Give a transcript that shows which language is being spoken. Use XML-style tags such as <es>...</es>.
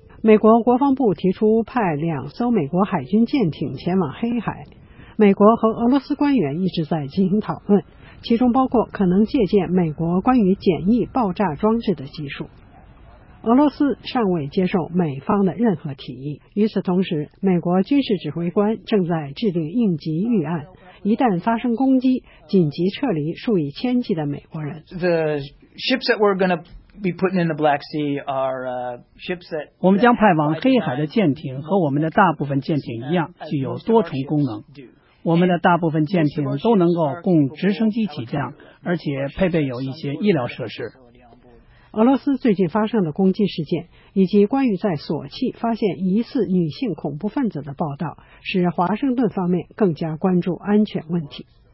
<zh>美国国防部提出派两艘美国海军舰艇前往黑海，美国和俄罗斯官员一直在进行讨论，其中包括可能借鉴美国关于简易爆炸装置的技术。俄罗斯尚未接受美方的任何提议。与此同时，美国军事指挥官正在制定应急预案，一旦发生攻击，紧急撤离数以千计的美国人。</zh> <en>The ships that we're going to be putting in the Black Sea are ships that</en> <zh>我们将派往黑海的舰艇和我们的大部分舰艇一样，具有多重功能。我们的大部分舰艇都能够供直升机起降，而且配备有一些医疗设施。俄罗斯最近发生的攻击事件，以及关于在索契发现疑似女性恐怖分子的报道，使华盛顿方面更加关注安全问题。</zh>